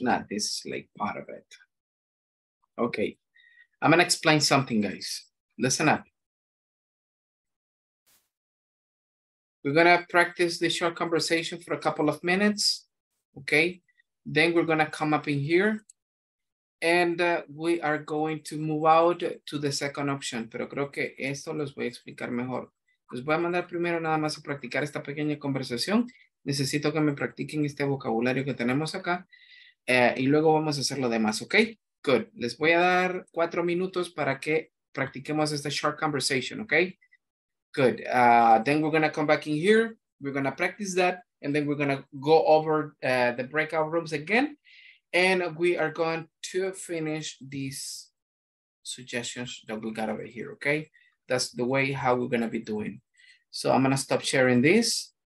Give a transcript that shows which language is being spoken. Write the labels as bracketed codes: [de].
[en] Not this is like part of it. Okay, I'm gonna explain something, guys. Listen up. We're gonna practice the short conversation for a couple of minutes, okay? Then we're gonna come up in here and we are going to move out to the second option. [es] Pero creo que esto los voy a explicar mejor. Les voy a mandar primero nada más a practicar esta pequeña conversación. Necesito que me practiquen este vocabulario que tenemos acá. Y luego vamos a hacer lo demás, ¿ok? [en] Good. [es] Les voy a dar 4 minutos para que practiquemos esta [en] short conversation, [es] ¿ok? [en] Good. Then we're going to come back in here. We're going to practice that. And then we're going to go over the breakout rooms again. And we are going to finish these suggestions that we got over here, ¿ok? That's the way how we're gonna be doing. So I'm gonna stop sharing this.